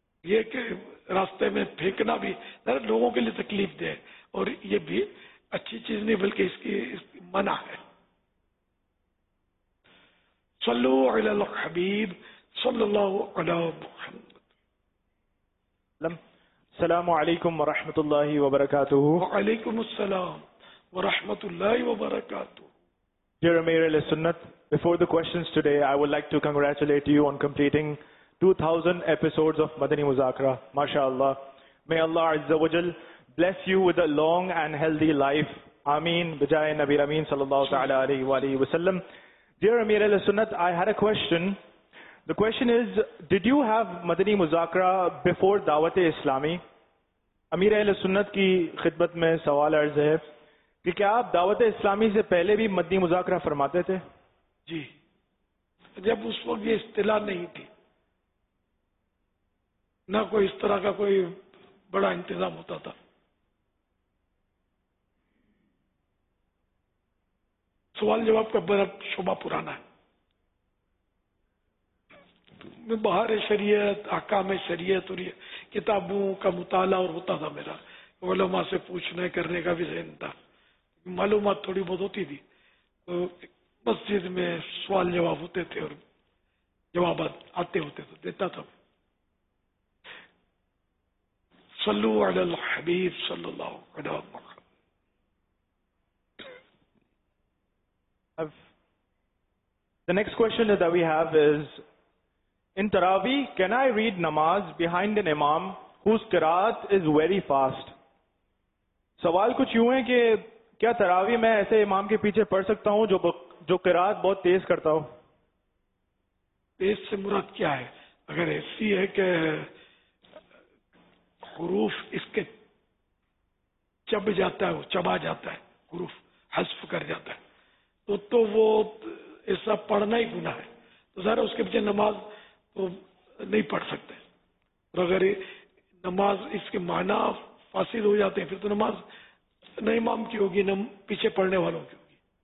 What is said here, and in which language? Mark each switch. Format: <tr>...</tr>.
<ur>یہ کہ راستے میں پھینکنا بھی ذرا لوگوں کے لیے تکلیف دے، اور یہ بھی اچھی چیز نہیں بلکہ اس کی منع ہے۔</ur> <ar>صلو علی الحبیب صلی اللہ علیہ محمد۔</ar> <ur>السلام علیکم ورحمۃ اللہ وبرکاتہ۔ وعلیکم السلام ورحمۃ اللہ وبرکاتہ۔</ur> <en>Dear Amir al-Sunnat, before the questions today, I would like to congratulate you on completing 2000 episodes of Madani Muzakara. MashaAllah. May Allah Azza wa Jal bless you with a long and healthy life. Ameen.</en> <ur>Bijaye Nabi Ameen sallallahu ta'ala alayhi wa sallam.</ur> <en>Dear Amir al-Sunnat, I had a question. The question is, did you have Madani Muzakara before Dawat-e-Islami?</en> <ur>Amir al-Sunnat ki khidmat mein sawal arz hai. کہ کیا آپ دعوت اسلامی سے پہلے بھی مدنی مذاکرہ فرماتے تھے؟ جی، جب اس وقت یہ اصطلاح نہیں تھی، نہ کوئی اس طرح کا کوئی بڑا انتظام ہوتا تھا۔ سوال جواب کا بڑا شعبہ پرانا ہے، میں بہار شریعت، احکام شریعت اور یہ کتابوں کا مطالعہ اور ہوتا تھا، میرا علماء سے پوچھنے کرنے کا بھی ذہن تھا، معلومات تھوڑی بہت ہوتی تھی، تو مسجد میں سوال جواب ہوتے تھے اور جوابات آتے ہوتے تھے، دیتا تھا۔</ur> <ar>صلو علی الحبیب صلی اللہ علیہ وسلم۔</ar> <en>The next question that we have is, in Taraweeh, can I read namaz behind an imam whose qiraat is very fast?</en> <ur>سوال کچھ یوں ہے کہ کیا تراوی میں ایسے امام کے پیچھے پڑھ سکتا ہوں جو قرآت بہت تیز کرتا ہو؟ تیز سے مراد کیا ہے؟ اگر ایسی ہے کہ حروف اس کے چب جاتا ہے، چبا جاتا ہے، حروف حذف کر جاتا ہے، تو وہ ایسا پڑھنا ہی گناہ ہے، تو ظاہر اس کے پیچھے نماز تو نہیں پڑھ سکتے، اور اگر نماز اس کے معنی فاسد ہو جاتے ہیں پھر تو نماز نہ امام کی ہوگی نہ پیچھے پڑھنے والوں کی ہوگی۔</ur>